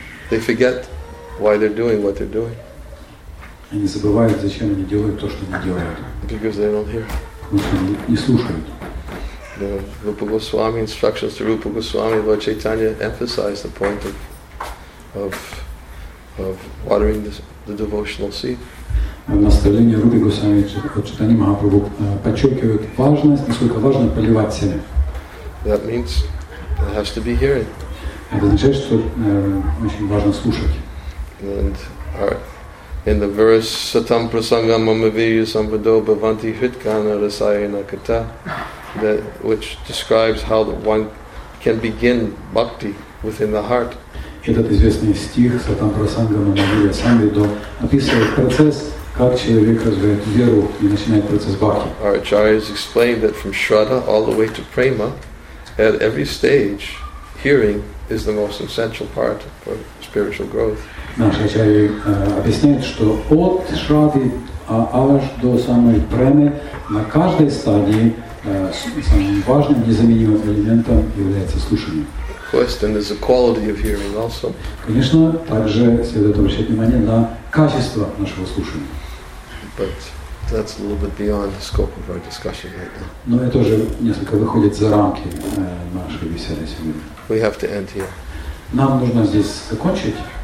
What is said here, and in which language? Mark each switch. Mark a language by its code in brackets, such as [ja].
[en] They forget why they're doing what they're doing. [ru] Они забывают, зачем они делают то, что они делают. [en] Because they don't hear. Rupa Goswami instructions to Rupa Goswami, Lord Chaitanya emphasized the point of watering the devotional seed. [ru] Наставление Рупи Госвами Чайтанья Махапрабху подчеркивает важность, насколько важно поливать семя. [en] That means there has to be hearing. [ru] Это означает, что очень важно слушать. [en] And in the verse [sa] Satam Prasangam Mamaviya Samvado Bhavanti Hritkana Rasayana Kata, [en] that which describes how one can begin bhakti within the heart. [ru] Этот известный стих [sa] Сатам Прасангам Мамавия Самвидо [ru] описывает процесс, как человек развивает веру и начинает процесс бхакти. [en] Our acharyas explained that from Shraddha all the way to prema, at every stage, hearing is the most essential part for spiritual growth. [ru] Наши ачарьи объясняют, что от Шрадды аж до самой премы на каждой стадии самым важным незаменимым элементом является слушание. [en] Of course, then there's a quality of hearing also. [ru] Конечно, также следует обращать внимание на качество нашего слушания. [en] But that's a little bit beyond the scope of our discussion right now. [ru] Но это уже несколько выходит за рамки нашей беседы сегодня. [en] We have to end here. [ru] Нам нужно здесь закончить.